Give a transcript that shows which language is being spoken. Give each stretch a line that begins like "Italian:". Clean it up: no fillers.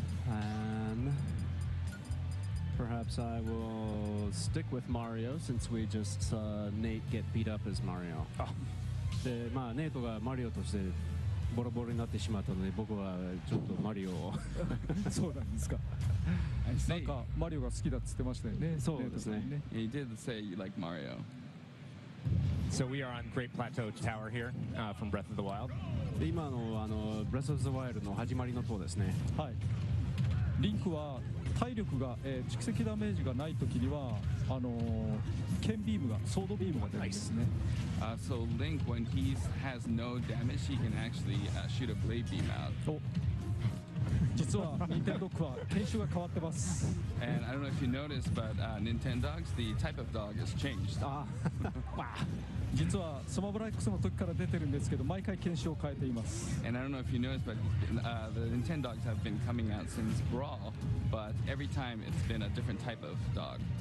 English: And perhaps I will stick with Mario since we just saw Nate get beat up as Mario. Oh. Nate was Mario to say.
Japanese: ボロボロになってしまったので、僕はちょっとマリオをそうなんですか。なんかマリオが好きだっつってましたよね。そうですね。
English: He did say you like Mario. So we are on Great Plateau Tower here, from Breath of the Wild.
Japanese: 今のあの Breath of the Wild の始まりの塔ですね。はい。リンクは体力が、蓄積ダメージがないときには、剣ビームが、ソードビームが出るんですね。
English: Nice. So Link, when he has no damage, he can actually shoot a blade beam out.
Japanese: 実は、Nintendog は犬種が変わってます。
English: And I don't know if you noticed, but Nintendogs, the type of dog has changed.
Japanese: 実はスマブラ X の時から出てるんですけど、毎回犬種を変えています。
English: And I don't know if you noticed, but the Nintendogs have been coming out since Brawl, but every time it's been a different type of dog.